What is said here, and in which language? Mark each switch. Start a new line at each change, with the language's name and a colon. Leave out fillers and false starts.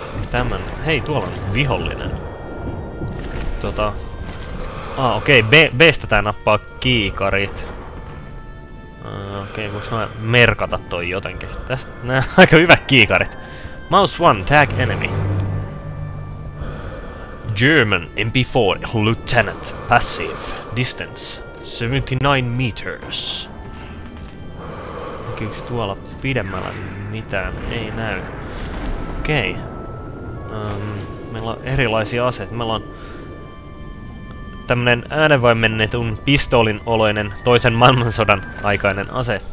Finnish: Tämän. Hei, tuolla on vihollinen. Okei, B-stä tää nappaa kiikarit. Okei, voiko mä merkata toi jotenkin? Tästä nää aika hyvät kiikarit.
English: Mouse one, tag enemy. German MP4 Lieutenant passive distance 79 meters.
Finnish: Näkyykö tuolla pidemmällä mitään? Ei näy. Okei. Meillä on erilaisia aseita. Meillä on tämmönen äänenvaimennetun pistoolin oloinen toisen maailmansodan aikainen ase.